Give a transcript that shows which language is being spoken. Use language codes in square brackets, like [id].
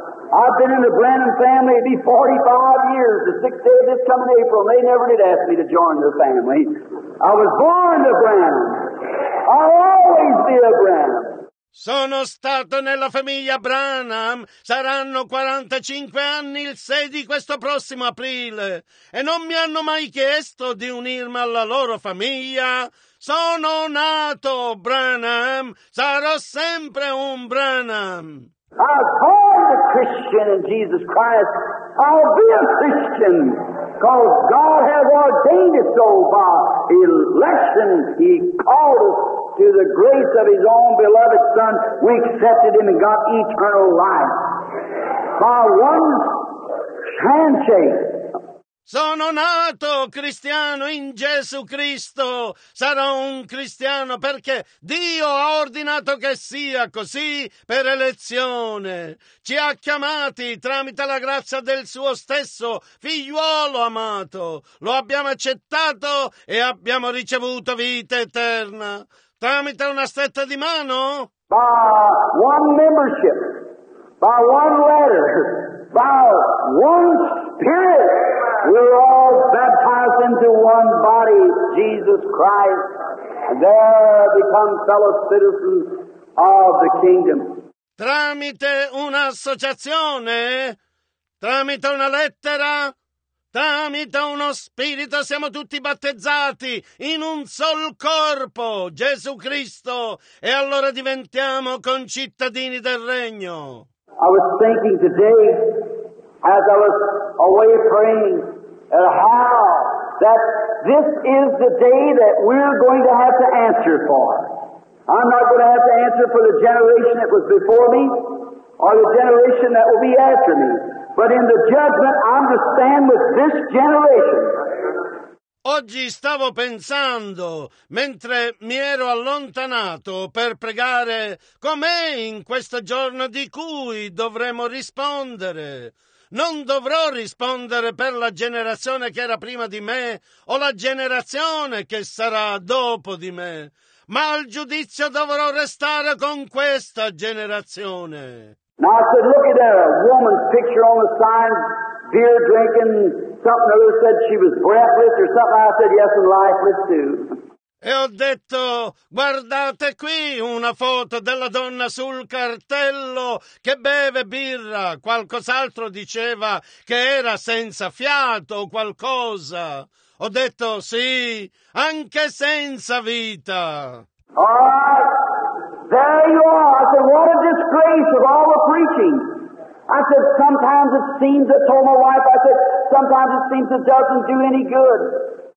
[en] I've been in the Branham family be 45 years, the 6th day of this coming April, and they never did ask me to join the family. I was born to Branham. I'll always be a Branham. [it] Sono stato nella famiglia Branham, saranno 45 anni il 6 di questo prossimo aprile, e non mi hanno mai chiesto di unirmi alla loro famiglia. Sono nato Branham, sarò sempre un Branham. [en] I'll call a Christian in Jesus Christ. I'll be a Christian, because God has ordained it so by election. He called us to the grace of His own beloved Son. We accepted Him and got eternal life by one handshake. [it] Sono nato cristiano in Gesù Cristo. Sarò un cristiano perché Dio ha ordinato che sia così per elezione. Ci ha chiamati tramite la grazia del suo stesso figliuolo amato. Lo abbiamo accettato e abbiamo ricevuto vita eterna. Tramite una stretta di mano? [en] By one membership, by one letter, by one spirit. We're all baptized into one body, Jesus Christ, and there become fellow citizens of the kingdom. [it] Tramite un'associazione, tramite una lettera, tramite uno spirito, siamo tutti battezzati in un sol corpo, Gesù Cristo, e allora diventiamo concittadini del regno. [en] I was thinking today, as I was away praying, and how that this is the day that we're going to have to answer for. I'm not going to have to answer for the generation that was before me or the generation that will be after me. But in the judgment, I'm to stand with this generation. [it] Oggi stavo pensando, mentre mi ero allontanato per pregare, com'è in questo giorno di cui dovremo rispondere? Non dovrò rispondere per la generazione che era prima di me o la generazione che sarà dopo di me, ma al giudizio dovrò restare con questa generazione. [en] Now I said, look at that, a woman's picture on the sign, beer drinking, something other said she was breathless or something. I said, yes, and lifeless too. [it] E ho detto, guardate qui una foto della donna sul cartello che beve birra. Qualcos'altro diceva che era senza fiato o qualcosa. Ho detto, sì, anche senza vita. [en] All right, there you are. I said, what a disgrace of all the preaching. I said, sometimes it seems, I told my wife, I said, sometimes it seems it doesn't do any good.